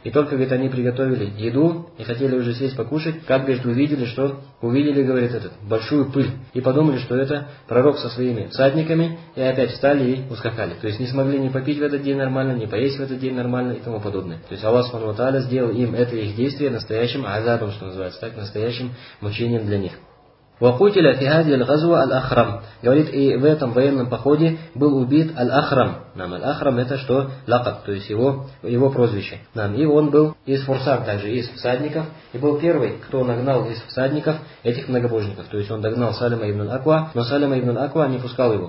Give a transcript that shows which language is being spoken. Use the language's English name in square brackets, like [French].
[Russian] И только, говорит, они приготовили еду и хотели уже сесть покушать, как, говорит, увидели, говорит, большую пыль. И подумали, что это пророк со своими всадниками, и опять встали и ускакали. То есть не смогли ни попить в этот день нормально, ни поесть в этот день нормально и тому подобное. То есть Аллах Субхану ва Тааля сделал им это их действие настоящим азабом, что называется, так, настоящим мучением для них. [Arabic] وقتل في هذه الغزوة الأخرم. [Russian] Говорит, и в этом военном походе был убит Аль-Ахрам. Нам Аль-Ахрам это что? Лакаб, то есть его прозвище. Нам, и он был из фурсан, также из всадников, и был первый, кто нагнал из всадников этих многобожников. То есть он догнал Салима ибн Аква, но Салима ибн Аква не пускал его.